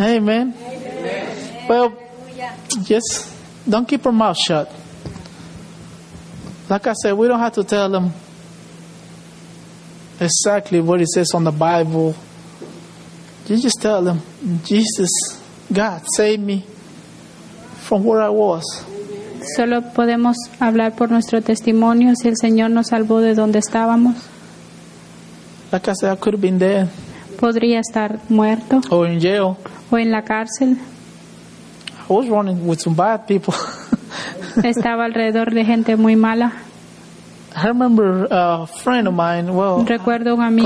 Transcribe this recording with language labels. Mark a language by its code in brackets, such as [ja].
[en] Amen. Amen. Well, yes, don't keep your mouth shut. Like I said, we don't have to tell them exactly what it says on the Bible. You just tell them, Jesus, God, save me from where I was. [es] Solo podemos hablar por nuestro testimonio si el Señor nos salvó de donde estábamos. [en] Like I said, I could have been dead. [es] Podría estar muerto. [en] Or in jail. [es] O en la cárcel. [en] I was running with some bad people. [es] Estaba alrededor de gente muy mala. [en] I remember a friend of mine. Well, [es] recuerdo un amigo.